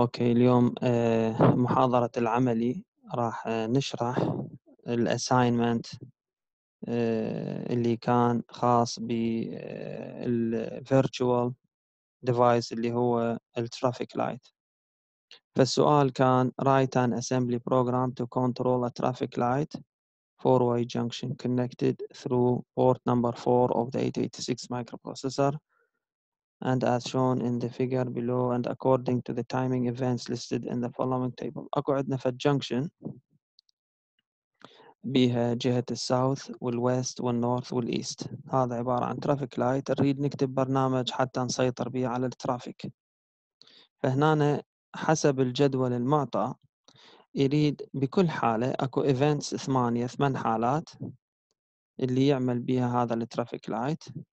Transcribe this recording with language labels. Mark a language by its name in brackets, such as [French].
[Arabic] أوكي، اليوم محاضرة العملي راح نشرح الأساينمنت اللي كان خاص بالفيرتشوال ديفايس اللي هو الترافيك لايت. [English] فالسؤال كان write an assembly program to control a traffic light four-way junction connected through port number 4 of the 886 microprocessor and as shown in the figure below and according to the timing events listed in the following table. [Arabic] اكو عندنا في الجنكشن بها جهة الساوث والويست والنورث والايست، هذا عبارة عن ترافيك لايت، نريد نكتب برنامج حتى نسيطر به على الترافيك. فهنا حسب الجدول المعطى يريد بكل حالة اكو ايفنتس ثمان حالات اللي يعمل بها هذا الترافيك لايت.